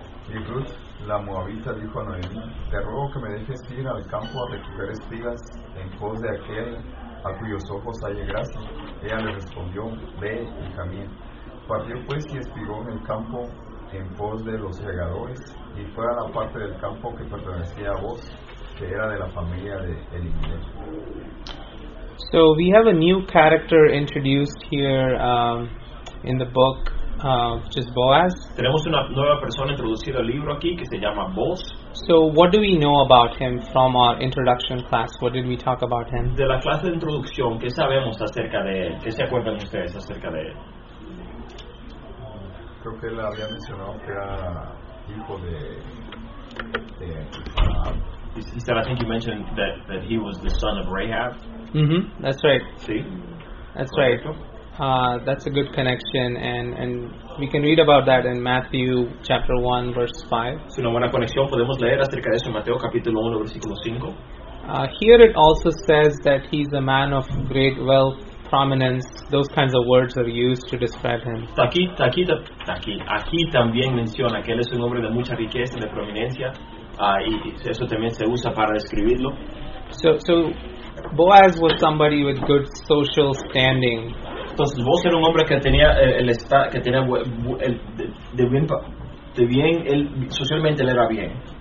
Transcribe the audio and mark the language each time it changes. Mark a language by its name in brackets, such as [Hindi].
[Spanish] Y Ruth, la moabita, dijo a Noemí, te ruego que me dejes ir al campo a recoger espigas en pos de aquel a cuyos ojos hay gracia. Ella le respondió, ve, hija mía. Partió pues y espigó en el campo en pos de los segadores, y fue a la parte del campo que pertenecía a Boaz, que era de la familia de Elimelec. [English] So we have a new character introduced here in the book, which is Boaz. [Spanish] Tenemos una nueva persona introducida al libro aquí que se llama Boaz. [English] So what do we know about him from our introduction class? What did we talk about him? [Spanish] De la clase de introducción, ¿qué sabemos acerca de él? ¿Qué se acuerdan ustedes acerca de él? Creo que él había mencionado que era hijo de [English] He said, I think you mentioned that he was the son of Rahab. Mm-hmm, that's right. [Spanish] Sí. [English] That's right. That's a good connection, and we can read about that in Matthew chapter 1, verse 5. [Spanish] Es una buena conexión, podemos leer acerca de eso en Mateo capítulo 1, versículo 5. [English] Here it also says that he's a man of great wealth, prominence, those kinds of words are used to describe him. [Spanish] Aquí también menciona que él es un hombre de mucha riqueza, de prominencia, y eso también se usa para describirlo. [English] So Boaz was somebody with good social standing. [Spanish] Entonces Boaz era un hombre que tenía el socialmente le era bien.